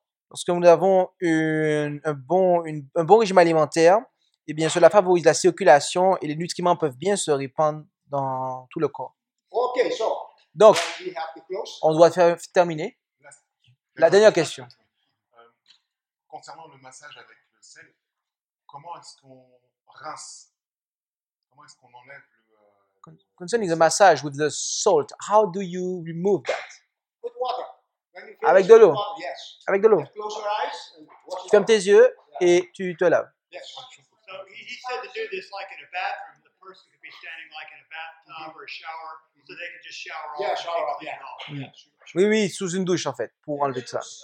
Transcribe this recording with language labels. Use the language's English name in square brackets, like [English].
[French] Lorsque nous avons un bon régime alimentaire, eh bien, cela favorise la circulation et les nutriments peuvent bien se répandre dans tout le corps. [English] Ok, so, [French] donc, on doit terminer. La dernière question. Concernant le massage avec le sel, comment est-ce qu'on rince? Comment est-ce qu'on enlève le... [English] Concerning the massage with the salt, how do you remove that? With water. [French] Avec de l'eau. [English] Yes. [French] Avec de l'eau. [English] Close your eyes and wash [French] it. Tu fermes tes yeux et tu te laves. [English] Yes. He said to do this like in a bathroom. The person could be standing like in a bathtub or a shower, so they could just shower off. Yeah, shower off. Yeah. Off. Mm. Yeah. [French] Oui, sous une douche en fait, pour enlever ça.